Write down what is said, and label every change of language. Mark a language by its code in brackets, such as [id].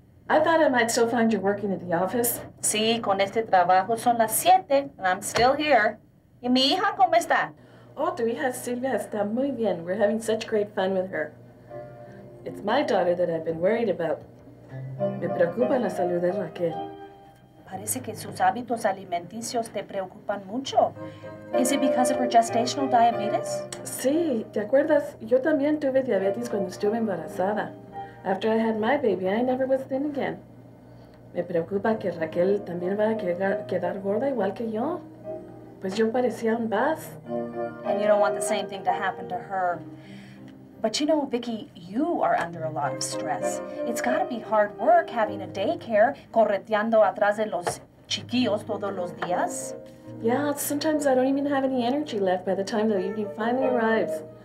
[en] I thought I might still find you working at the office. [es] Sí, con este trabajo son las siete, [en] and I'm still here. [es] ¿Y mi hija cómo está? Oh, tu hija Silvia está muy bien. [en] We're having such great fun with her. It's my daughter that I've been worried about. [es] Me preocupa la salud de Raquel. Parece que sus hábitos alimenticios te preocupan mucho. [en] Is it because of her gestational diabetes? [es] Sí, ¿te acuerdas? Yo también tuve diabetes cuando estuve embarazada. [en] After I had my baby, I never was thin again. [es] Me preocupa que Raquel también va a quedar gorda igual que yo. Pues yo parecía un bus. [en] And you don't want the same thing to happen to her. But you know, Vicky, you are under a lot of stress. It's got to be hard work having a daycare, [es] correteando atrás de los chiquillos todos los días. [en] Yeah, sometimes I don't even have any energy left by the time the evening finally arrives.